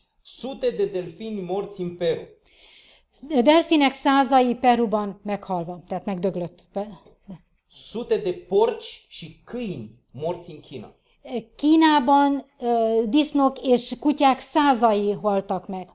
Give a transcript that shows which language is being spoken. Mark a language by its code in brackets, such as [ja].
[ro] Sute de delfini morți în Peru. [hu] Delfinek százai Peruban meghalva, tehát megdöglött. [ro] Sute de porci și câini morți în China. [hu] Kínában disznók és kutyák százai haltak meg.